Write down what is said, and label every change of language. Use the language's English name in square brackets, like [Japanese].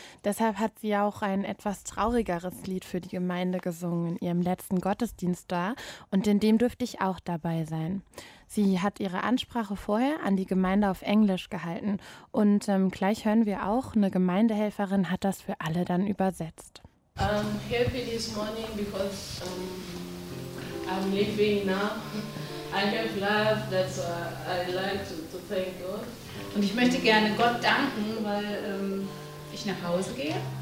[German] Deshalb hat sie auch ein etwas traurigeres Lied für die Gemeinde gesungen in ihrem letzten Gottesdienst da. Und in dem dürfte ich auch dabei sein. Sie hat ihre Ansprache vorher an die Gemeinde auf Englisch gehalten. Und gleich hören wir auch, eine Gemeindehelferin hat das für alle dann übersetzt. [English] I'm happy this morning because I'm leaving now. I have love, that's why I like to thank God. [German] Und ich möchte gerne Gott danken, weil ich nach Hause gehe.